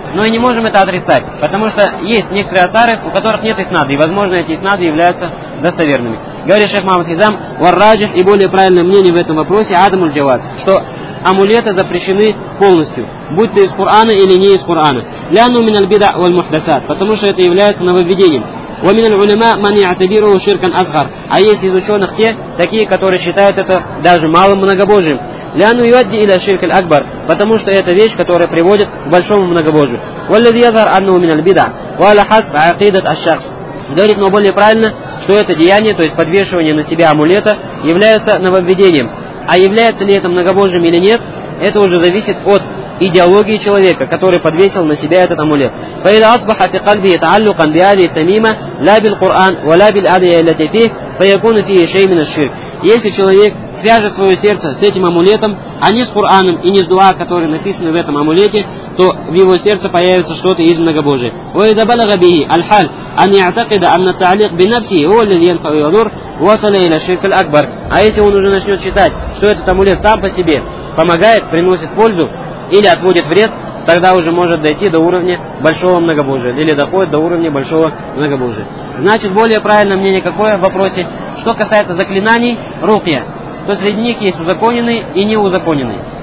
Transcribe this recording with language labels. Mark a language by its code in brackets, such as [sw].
[ru] Но и не можем это отрицать, потому что есть некоторые асары, у которых нет иснады, и, возможно, эти иснады являются достоверными. Говорит шейх Мухаммад Хизам, [ar] варраджих, [ru] и более правильное мнение в этом вопросе, [ar] адам уль-джаваз, [ru] что амулеты запрещены полностью, будь то из Курана или не из Курана. [ar] Ляну мин аль-бида валь-мухдасат, [ru] потому что это является нововведением. [ar] ومن العلماء من يعتبره شركا أصغر. [ru] А есть из ученых те, такие, которые считают это даже малым многобожием. [ar] لأنه يؤدي إلى شرك الأكبر. [ru] Потому что это вещь, которая приводит к большому многобожию. [ar] والذي يظهر أنه من البدع. وعلى حسب عقيدة الشخص. [ru] Говорит, но более правильно, что это деяние, то есть подвешивание на себя амулета, является нововведением. А является ли это многобожием или нет, это уже зависит от идеологии человека, который подвесил на себя этот амулет. [ar] فإذا أصبح في قلبه تعلقا بهذه التميمة لا بالقرآن ولا بالآية التي فيه فيكون فيه شيء من الشرك. [ru] Если человек свяжет свое сердце с этим амулетом, а не с Кораном и не с дуа, который написан в этом амулете, то в его сердце появится что-то из многобожия. [ar] وإذا بلغ به الحال أن يعتقد أن التعليق بنفسه هو الذي ينفع ويضر وصل إلى الشرك الأكبر. [ru] А если он уже начнет считать, что этот амулет сам по себе помогает, приносит пользу или отводит вред, тогда уже может дойти до уровня большого многобожия, или доходит до уровня большого многобожия. Значит, более правильное мнение какое в вопросе, что касается заклинаний рукья, то среди них есть узаконенные и неузаконенные.